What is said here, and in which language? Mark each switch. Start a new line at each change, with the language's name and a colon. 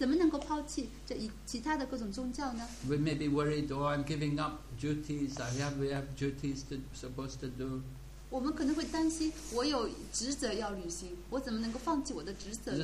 Chinese: 所以呢，这就是我们为下面一点，就是我们怎么能够抛弃这其他的各种宗教呢？
English: We may be worried, oh, I'm giving up duties. We have duties to supposed to do.
Chinese: 我们可能会担心，我有职责要履行，我怎么能够放弃我的职责呢？